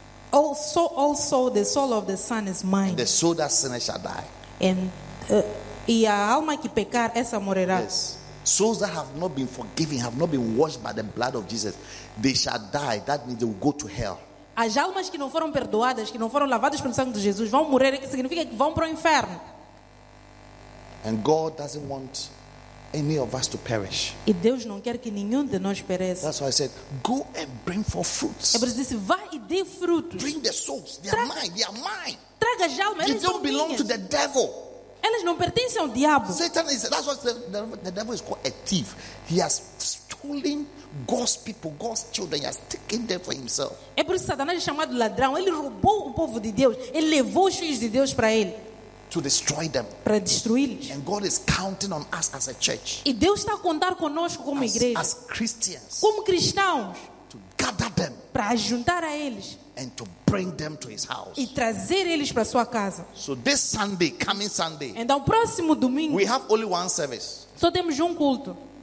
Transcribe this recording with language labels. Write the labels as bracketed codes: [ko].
[en] Also the soul of the son is mine. And the soul that sinner shall die. [pt] E a alma que pecar, essa morrerá. [en] Yes. Souls that have not been forgiven, have not been washed by the blood of Jesus, they shall die. That means they will go to hell. [pt] As almas que não foram perdoadas, que não foram lavadas pelo sangue de Jesus, vão morrer, que significa que vão para o inferno. [en] And God doesn't want any of us to perish. [pt] E Deus não quer que nenhum de nós pereça. [en] That's why I said, go and bring forth fruits. [pt] É por isso que disse, vai e dê frutos. [en] Bring the souls, they are mine, they are mine. [pt] Traga as almas, [en] they don't belong to the devil. [pt] Elas não pertencem ao diabo. [en] Satan is, that's what the devil is called, a thief. He has stolen God's people, God's children. He has taken them for himself. [pt] É por isso que Satanás é chamado ladrão. Ele roubou o povo de Deus. Ele levou os filhos de Deus para ele. [en] To destroy them. [pt] Para destruí-los. [en] And God is counting on us as a church. [pt] E Deus está a contar conosco como igreja. [en] As Christians. [pt] Como cristãos. [en] To gather them. [pt] Para ajuntar a eles. [en] And to bring them to His house. [pt] E trazer eles para sua casa. [en] So this Sunday, coming Sunday. [pt] Então próximo domingo. [en] We have only one service. [pt] Só temos um culto.